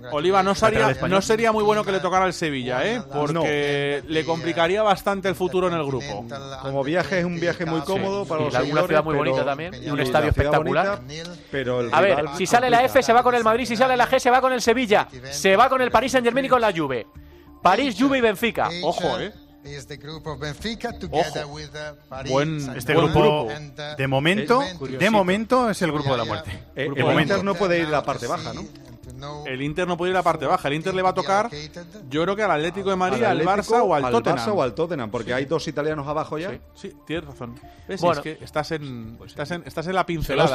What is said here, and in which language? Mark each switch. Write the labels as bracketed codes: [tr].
[es] Oliva, no sería muy bueno que le tocara al Sevilla, ¿eh? Porque le complicaría bastante el futuro en el grupo. Como viaje, es un viaje muy cómodo para los jugadores. Y una ciudad muy bonita también. Y un estadio espectacular. A ver, si sale la F, se va con el Madrid. Si sale la G, se va con el Sevilla. Se va con el Paris Saint-Germain y con la Juve. París, Juve y Benfica. Ojo, ¿eh? [en] Is the group of Benfica together ojo with Paris. [es] Buen, este buen grupo, grupo. De momento, de momento es el grupo de la muerte. El Inter no puede ir a la parte baja, ¿no? El Inter no puede ir a la parte baja. El Inter le va a tocar, yo creo que al Atlético de Madrid, al Barça o al Tottenham. Al Barça o al Tottenham, porque sí. Hay dos italianos abajo ya. Sí, sí, tienes razón. Es, bueno, es que estás en la pincelada.